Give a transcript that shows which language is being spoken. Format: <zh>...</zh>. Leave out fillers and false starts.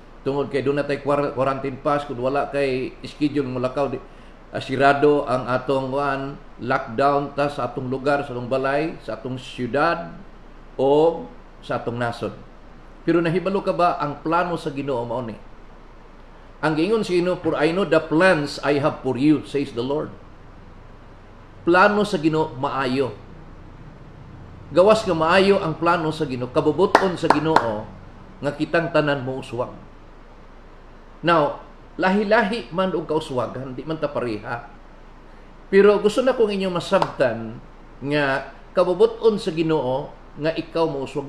<ceb>Tungod kay doon na tayo quarantine pass, kung wala kay schedule ng mulakaw, asirado ang atong one, lockdown ta sa atong lugar, sa atong balay, sa atong syudad, o sa atong nasod. Pero nahibalo ka ba ang plano sa Ginoo mao ni? Ang giingon si Ginoo,</ceb> <en>for I know the plans I have for you, says the Lord.</en> <ceb>Plano sa Ginoo maayo. Gawas ka maayo ang plano sa Ginoo, kabubuton sa Ginoo nga kitang tanan mo uswag. Now, lahi-lahi man og kauswagan, di man ta pareha. Pero gusto na kong inyong masabtan nga kabubuton sa Ginoo nga ikaw mauswag.</ceb>